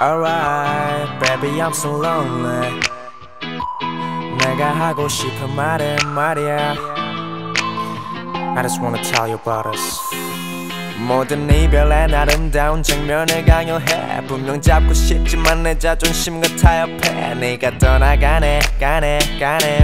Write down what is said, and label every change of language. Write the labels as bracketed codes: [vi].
[en] Alright, baby, I'm so lonely. [ko] 내가 하고 싶은 말은 말이야. [en] I just wanna tell you about us. [ko] 모든 이별엔 아름다운 장면을 강요해. 분명 잡고 싶지만 내 자존심과 타협해. 네가 떠나가네, 가네, 가네.